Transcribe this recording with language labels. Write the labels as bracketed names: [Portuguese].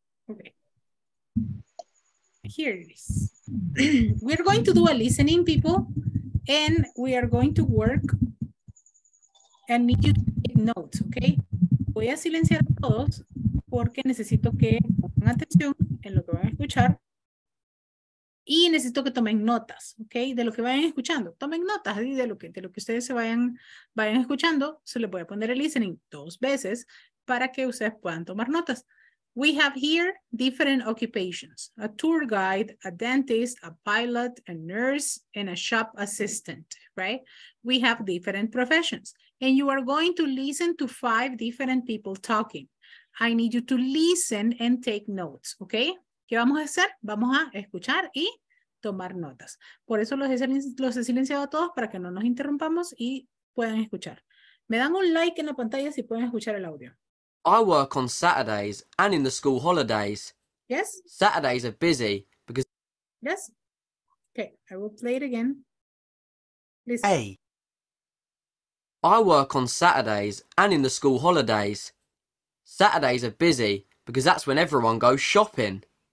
[English] Okay. Here it is. We're going to do a listening, people, and we are going to work and need you to take notes, okay? [Spanish] Voy a silenciar a todos porque necesito que pongan atención en lo que van a escuchar y necesito que tomen notas, okay? De lo que vayan escuchando. Tomen notas y de lo que ustedes se vayan escuchando, se les voy a poner el listening dos veces para que ustedes puedan tomar notas. [English] We have here different occupations, a tour guide, a dentist, a pilot, a nurse, and a shop assistant, right? We have different professions. And you are going to listen to five different people talking. I need you to listen and take notes, okay? [Spanish] ¿Qué vamos a hacer? Vamos a escuchar y tomar notas. Por eso los he silenciado a todos para que no nos interrumpamos y puedan escuchar. Me dan un like en la pantalla si pueden escuchar el audio. [English] I work on Saturdays and in the school holidays. Yes. Saturdays are busy because... Yes. Okay, I will play it again. Listen. A. I work on Saturdays and in the school holidays. Saturdays are busy because that's when everyone goes shopping.